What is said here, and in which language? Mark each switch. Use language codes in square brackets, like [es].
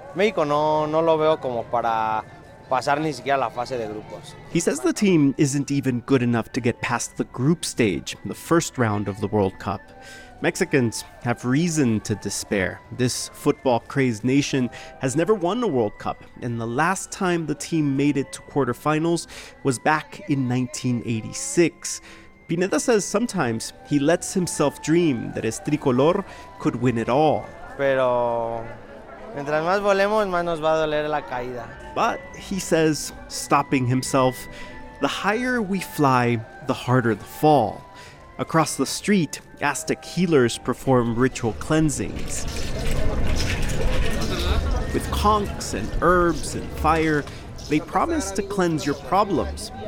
[es] México no lo veo como para pasar ni siquiera la fase de grupos. [en] He says the team isn't even good enough to get past the group stage, the first round of the World Cup. Mexicans have reason to despair. This football-crazed nation has never won a World Cup, and the last time the team made it to quarterfinals was back in 1986. Pineda says sometimes he lets himself dream that his tricolor could win it all. [es] Pero mientras más volemos, más nos va a doler la caída. [en] But, he says, stopping himself, the higher we fly, the harder the fall. Across the street, Aztec healers perform ritual cleansings. With conchs and herbs and fire, they promise to cleanse your problems.